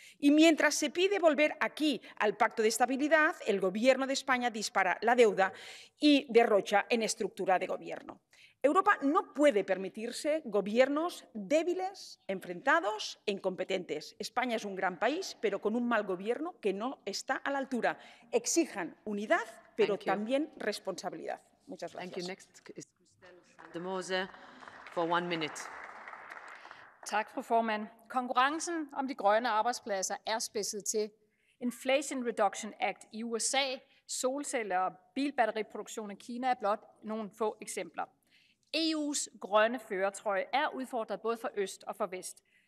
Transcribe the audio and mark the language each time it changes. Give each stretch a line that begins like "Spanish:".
Spanish: Y mientras se pide volver aquí al Pacto de Estabilidad, el gobierno de España dispara la deuda y derrocha en estructura de gobierno. Europa no puede permitirse gobiernos débiles, enfrentados e incompetentes. España es un gran país, pero con un mal gobierno que no está a la altura. Exijan unidad, pero también responsabilidad. Muchas gracias.
English: Thank you. Next is Christel Sandemose for 1 minute.
Danish: Tak, fru formand. Konkurrencen om de grønne arbejdspladser er spidset til Inflation Reduction Act i USA, solceller og bilbatteriproduktion i Kina er blot nogle få eksempler. EU's grønne førertrøje er udfordret både fra øst og fra vest.